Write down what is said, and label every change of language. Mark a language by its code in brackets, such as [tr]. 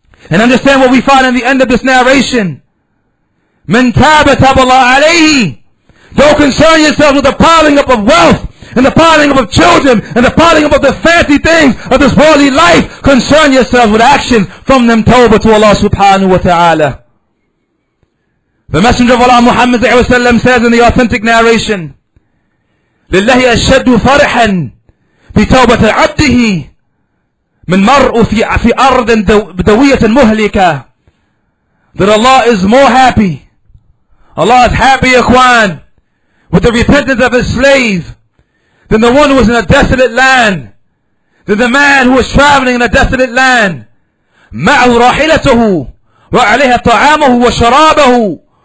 [en] And understand what we find in the end of this narration. [ar] Man taba taba Allah alayhi. [en] Don't concern yourself with the piling up of wealth and the piling up of children and the piling up of the fancy things of this worldly life. Concern yourself with action from them tawba to Allah subhanahu wa ta'ala. The Messenger of Allah Muhammad says in the authentic narration, [ar] لِلَّهِ أَشَّدُّ فَرِحًا بِتَوْبَةَ عَبْدِهِ مِنْ مَرْءُ فِي أَرْضٍ دَوِيَةٍ مُهْلِكَةٍ. [en] That Allah is more happy. Allah is happy, ikhwan, with the repentance of his slave than the one who was in a desolate land, than the man who was traveling in a desolate land. [ar] مَعْهُ رَاحِلَتُهُ وَعَلَيْهَا طَعَامُهُ وَشَرَابَهُ.